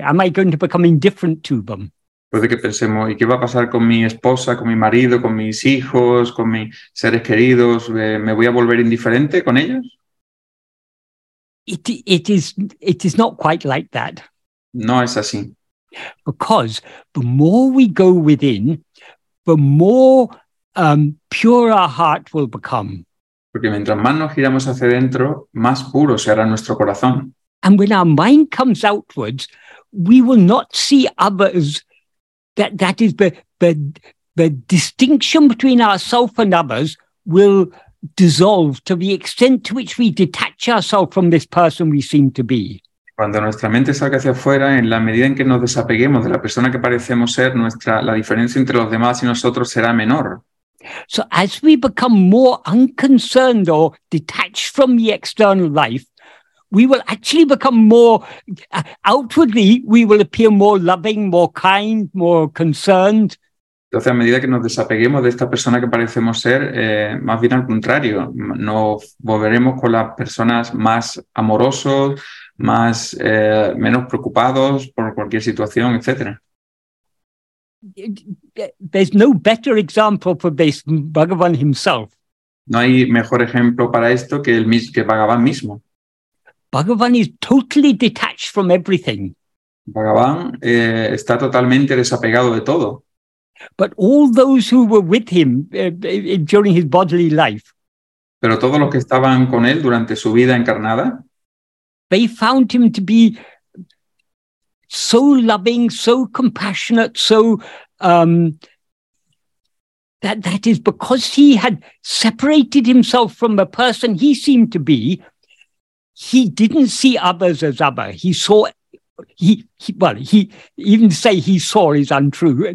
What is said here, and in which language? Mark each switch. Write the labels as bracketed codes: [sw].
[en] Am I going to become indifferent to them? [es] Puede que pensemos, ¿y qué va a pasar con mi esposa, con mi marido, con mis hijos, con mis seres queridos? ¿Me voy a volver indiferente con ellos? [en] It is not quite like that. [es] No es así. [en] Because the more we go within, the more pure our heart will become. [es] Porque mientras más nos giramos hacia dentro, más puro será nuestro corazón. [en] And when our mind comes outwards, we will not see others. That is the distinction between ourselves and others will dissolve to the extent to which we detach ourselves from this person we seem to be. [es] Cuando nuestra mente salga hacia afuera, en la medida en que nos desapeguemos de la persona que parecemos ser, la diferencia entre los demás y nosotros será menor. [en] So as we become more unconcerned or detached from the external life, we will actually become more, outwardly, we will appear more loving, more kind, more concerned. [es] Entonces, a medida que nos desapeguemos de esta persona que parecemos ser, más bien al contrario, nos volveremos con las personas más amorosos, más, menos preocupados por cualquier situación, etc. [en] There's no better example for this than Bhagavan himself. [es] No hay mejor ejemplo para esto que Bhagavan mismo. [en] Bhagavan is totally detached from everything. [es] Bhagavan está totalmente desapegado de todo. [en] But all those who were with him during his bodily life. [es] Pero todos los que estaban con él durante su vida encarnada. [en] They found him to be so loving, so compassionate, so that is because he had separated himself from the person he seemed to be. He didn't see others as other. He saw, he saw is untrue.